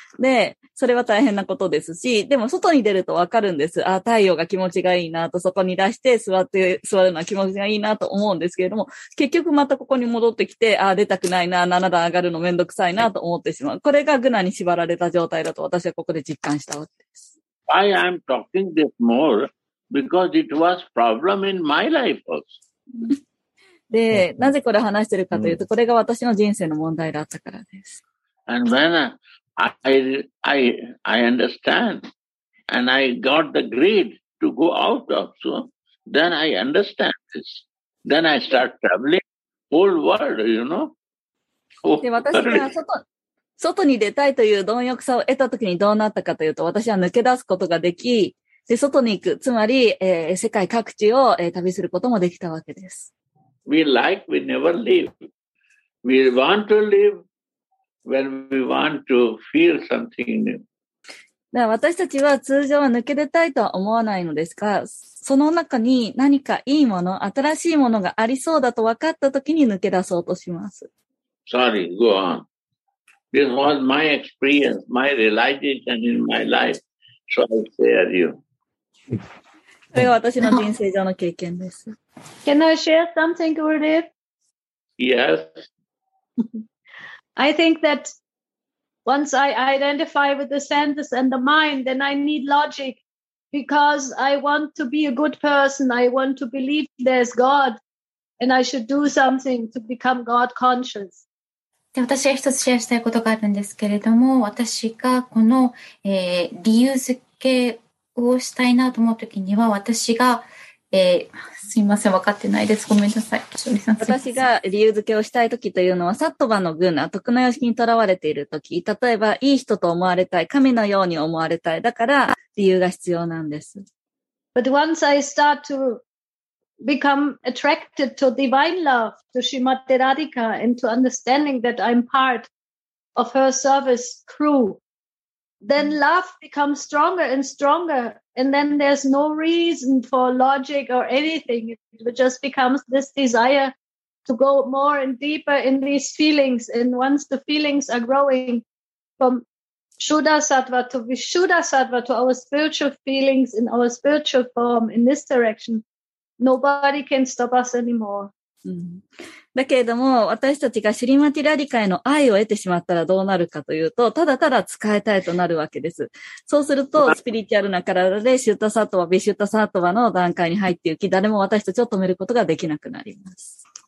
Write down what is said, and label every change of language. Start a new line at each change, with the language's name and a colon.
Japanese: で、それは大変なことですし、でも外に出るとわかるんです。あ、太陽が気持ちがいいなとそこに出して座るのは気持ちがいいなと思うんですけれども、結局またここに戻ってきて、あ、出たくないな、7段上がるのめんどくさいなと思ってしまう。これがグナに縛られた状態だと私はここで実感したわけです。
English: I am talking this more because it was problem in my life also.
Japanese: で、なぜこれ話してるかというと、これが私の人生の問題だったからです。
English: And when I understand and I got the greed to go out also, then I understand this. Then I start traveling whole world, you know.
Japanese: で、私が外に出たいという貪欲さを得たときにどうなったかというと、私は抜け出すことができ、で外に行く、つまり、世界各地を、旅することもできたわけです。
English: We like, we never leave. We want to live when we want to feel something new.
Japanese: だから私たちは通常は抜け出たいとは思わないのですが、その中に何かいいもの、新しいものがありそうだと分かったときに抜け出そうとします。
English: Sorry, go on. This was my experience, my realization in my life. So I share you.
Japanese: これが私の人生上の経験です。
English: Can I share something, Gurudev? Yes. I think that once I identify with the senses and the mind, then I need logic because I want to be a good person. I want to believe there's God and I should do something to become God conscious.
Japanese: で私が一つシェアしたいことがあるんですけれども、私がこの、理由付けをしたいなと思うときには、私が、すいません、分かってないです。ごめんなさい。私が理由付けをしたいときというのは、サットバのグナ、徳の様式にとらわれているとき、例えば、いい人と思われたい、神のように思われたい、だから理由が必要なんです。
English: But once I start to... become attracted to divine love, to Srimati Radhika, and to understanding that I'm part of her service crew, then love becomes stronger and stronger, and then there's no reason for logic or anything. It just becomes this desire to go more and deeper in these feelings. And once the feelings are growing from Shuddha Sattva to Vishuddha Sattva to our spiritual feelings in our spiritual form in this direction,Nobody can stop us anymore.
Japanese: だけれども私たちがシリマティラディカへの愛を得てしまったらどうなるかというと、ただただ使いたいとなるわけです。そうするとスピリチュアルな体でシュタサトワビシュタサトワの段階に入っていき、誰も私たちを止めることができなくなります。